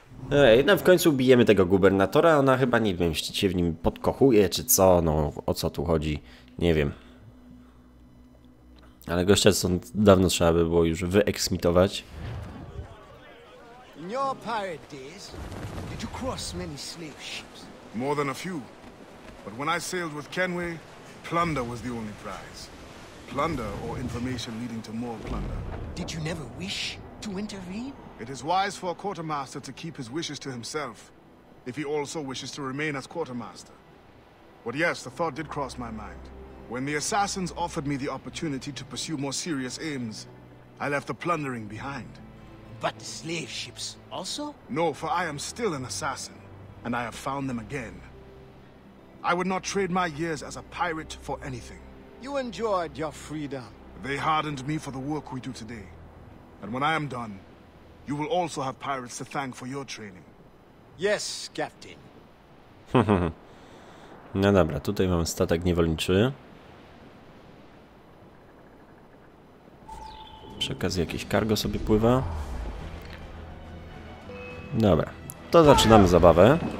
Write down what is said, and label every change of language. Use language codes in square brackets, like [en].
[pl] Ej, no w końcu bijemy tego gubernatora. Ona chyba, nie wiem, się w nim podkochuje, czy co. No, o co tu chodzi. Nie wiem. Ale gościa stąd dawno trzeba by było już wyeksmitować. [en] In your pirate days, did you cross many slave ships? More than a few. But when I sailed with Kenway, plunder was the only prize. Plunder or information leading to more plunder. Did you never wish to intervene? It is wise for a quartermaster to keep his wishes to himself, if he also wishes to remain as quartermaster. But yes, the thought did cross my mind. When the assassins offered me the opportunity to pursue more serious aims, I left the plundering behind. But the slave ships also? No, for I am still an assassin, and I have found them again. I would not trade my years as a pirate for anything. You enjoyed your freedom. They hardened me for the work we do today. And when I am done, you will also have pirates to thank for your training. Yes, Captain. [pl] No dobra, tutaj mam statek niewolniczy. Przy okazji jakieś cargo sobie pływa. Dobra, to zaczynamy zabawę.